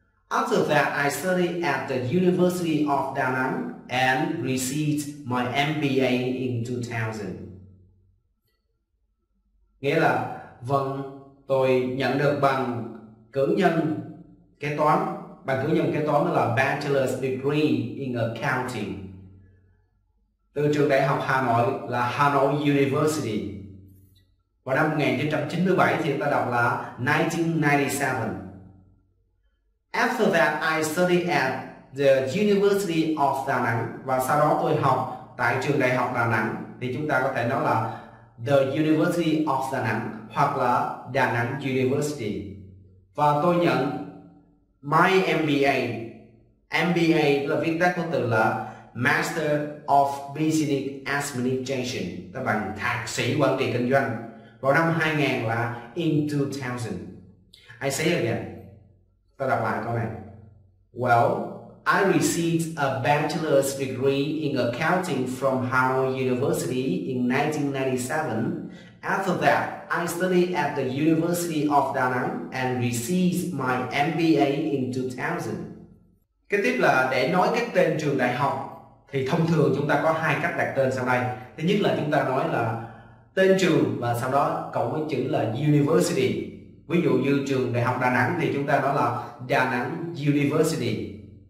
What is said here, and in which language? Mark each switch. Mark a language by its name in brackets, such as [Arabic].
[English] After that, I studied at the University of Da Nang and received my MBA in 2000. [Vietnamese] Nghĩa là, vâng, tôi nhận được bằng cử nhân kế toán. Bằng cử nhân kế toán đó là [English] bachelor's degree in accounting. [Vietnamese] Từ trường đại học Hà Nội là Hà Nội University. Vào năm 1997 thì ta đọc là 1997. [English] After that, I studied at the University of Đà Nẵng. [Vietnamese] Và sau đó tôi học tại trường đại học Đà Nẵng. Thì chúng ta có thể nói là the University of Đà Nẵng hoặc là Đà Nẵng University. Và tôi nhận my MBA. MBA là viết tắt của từ là Master of Business Administration, tức bằng thạc sĩ quản trị kinh doanh. Vào năm 2000 là [English] in 2000. I say again. [Vietnamese] Ta đọc lại câu này. [English] Well, I received a bachelor's degree in accounting from Hanoi University in 1997. After that, I studied at the University of Da Nang and received my MBA in 2000. [Vietnamese] Kế tiếp là để nói cái tên trường đại học thì thông thường chúng ta có hai cách đặt tên sau đây. Thứ nhất là chúng ta nói là tên trường và sau đó cộng với chữ là university. Ví dụ như trường Đại học Đà Nẵng thì chúng ta nói là Đà Nẵng University.